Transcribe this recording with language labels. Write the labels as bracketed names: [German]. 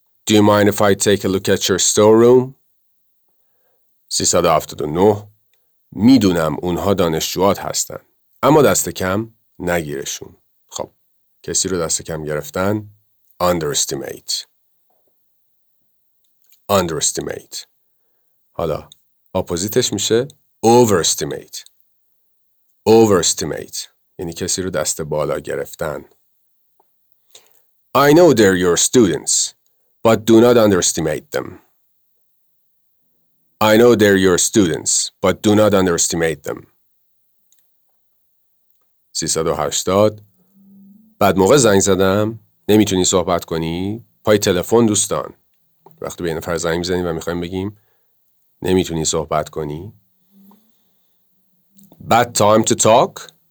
[English] Do you mind if I take a look at your storeroom? [Persian] 379 میدونم اونها دانشجوات هستن. اما دست کم نگیرشون. خب کسی رو دست کم گرفتن underestimate. Underestimate. حالا اپوزیتش میشه overestimate. [English] Overestimate. [Persian] یعنی کسی رو دست بالا گرفتن. [English] I know they're your students, but do not underestimate them. I know they're your students, but do not underestimate them. [Persian] 380 بعد موقع زنگ زدم، نمیتونی صحبت کنی؟ پای تلفن دوستان. وقتی به یه نفر زنگ میزنیم و میخواییم بگیم نمیتونی صحبت کنی؟ [English] Bad time to talk.